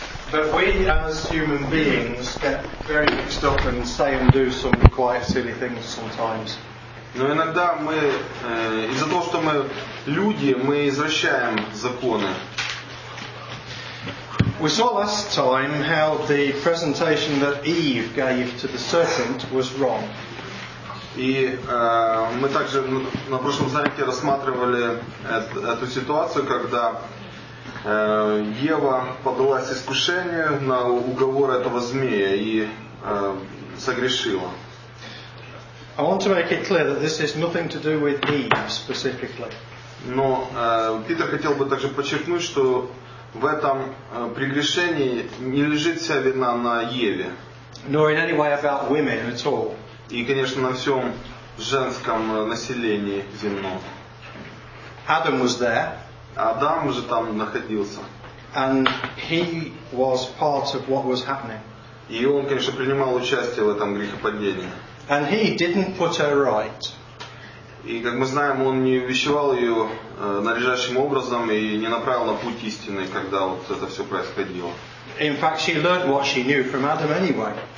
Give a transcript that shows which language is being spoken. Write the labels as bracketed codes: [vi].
[en] But we, as human beings, get very mixed up and say and do some quite silly things sometimes. [ru] Но иногда мы, из-за того, что мы люди, мы извращаем законы. [en] We saw last time how the presentation that Eve gave to the serpent was wrong. [ru] И мы также на прошлом занятии рассматривали эту ситуацию, когда Ева поддалась искушению на уговор этого змея и согрешила. [en] I want to make it clear that this has nothing to do with Eve specifically. [ru] Но Питер хотел бы также подчеркнуть, что в этом прегрешении не лежит вся вина на Еве. [en] Nor in any way about women at all. [ru] И, конечно, на всем женском населении земном. [en] Adam was there. [ru] Адам же там находился. [en] And he was part of what was happening. [ru] И он, конечно, принимал участие в этом грехопадении. [en] And he didn't put her right. [ru] И, как мы знаем, он не увещевал ее надлежащим образом и не направил на путь истинный, когда вот это все происходило. [en] In fact, she learned what she knew from Adam anyway.